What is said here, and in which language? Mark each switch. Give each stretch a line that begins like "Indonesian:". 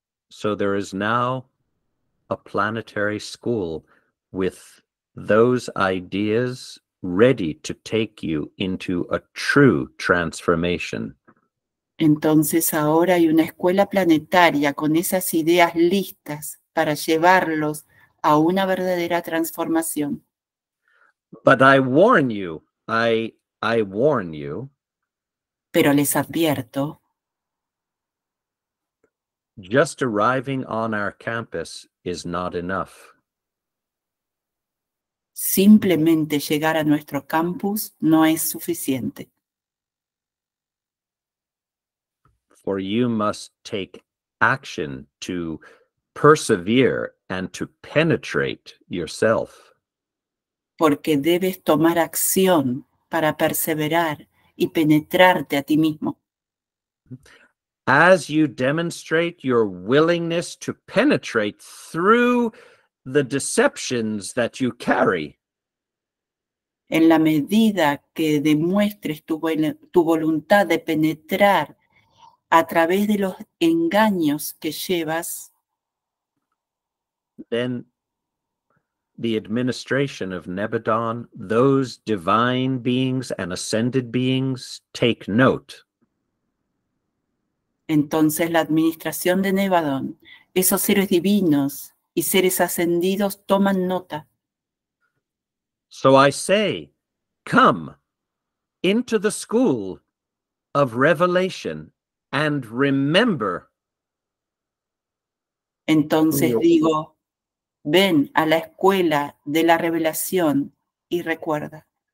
English: So there is now a planetary school with those ideas ready to take you into a true transformation.
Spanish: Entonces ahora hay una escuela planetaria con esas ideas listas para llevarlos a una verdadera transformación.
English: But I warn you, I warn you.
Spanish: Pero les advierto.
English: Just arriving on our campus is not enough.
Spanish: Simplemente llegar a nuestro campus no es suficiente.
English: For you must take action to persevere and to penetrate yourself.
Spanish: Porque debes tomar acción para perseverar y penetrarte a ti mismo.
English: As you demonstrate your willingness to penetrate through the deceptions that you carry.
Spanish: En la medida que demuestres tu voluntad de penetrar a través de los engaños que llevas,
English: then the administration of Nebadon, those divine beings and ascended beings, take note.
Spanish: Entonces la administración de Nebadon, esos seres divinos y seres ascendidos toman nota.
English: So I say, come into the school of revelation and remember.
Spanish: Entonces digo, ven a la escuela de la revelación y recuerda.